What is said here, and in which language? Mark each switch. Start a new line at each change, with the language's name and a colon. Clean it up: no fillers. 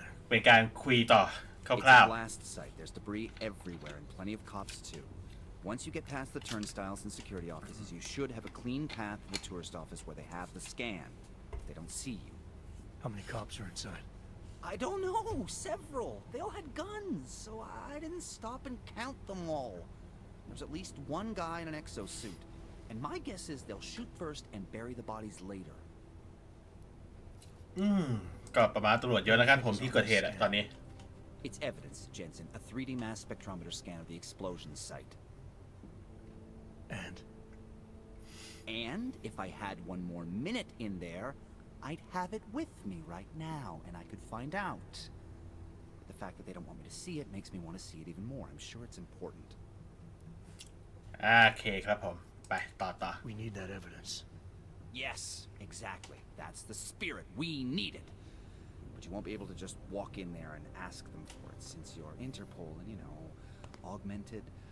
Thai: เป็นการคุยต่อคร่าวๆ
English: Last site there's debris everywhere and plenty of cops too Once you get past the turnstiles and security offices you should have a clean path to the tourist office where they have the scan They don't see you How many cops are inside I don't know several They all had guns so I didn't stop and count them allThere's at least one guy in an exosuit, and my guess is they'll shoot first and bury the bodies later.
Thai: ก็ประมาณตำรวจเยอะนะครับผมที่เกิดเหตุอะตอนนี้
English: It's evidence, Jensen, a 3D mass spectrometer scan of the explosion site. And if I had one more minute in there, I'd have it with me right now, and I could find out. But the fact that they don't want me to see it makes me want to see it even more. I'm sure it's important.
Thai: โอเคครับผมไปต่อ
English: We need that evidence. Yes, exactly. That's the spirit. We need it. But you won't be able to just walk in there and ask them for it since you're Interpol and, you know, augmented.